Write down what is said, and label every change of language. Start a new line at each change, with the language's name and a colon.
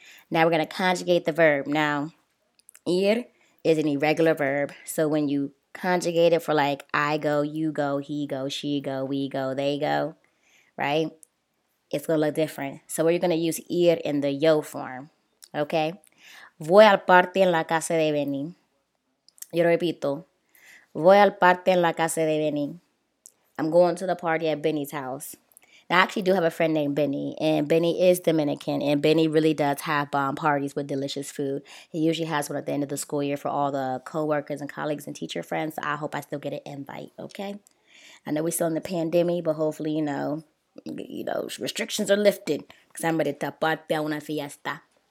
English: Now we're going to conjugate the verb. Now, ir is an irregular verb. So when you conjugate it for like, I go, you go, he go, she go, we go, they go, right? It's going to look different. So we're going to use ir in the yo form. Okay.
Spanish: Voy al parte en la casa de Benny. Yo repito. Voy al parte en la casa de Benny.
English: I'm going to the party at Benny's house. Now, I actually do have a friend named Benny, and Benny is Dominican, and Benny really does have bomb parties with delicious food. He usually has one at the end of the school year for all the coworkers and colleagues and teacher friends. So I hope I still get an invite. Okay. I know we're still in the pandemic, but hopefully, you know, restrictions are lifted because I'm ready to party a una fiesta.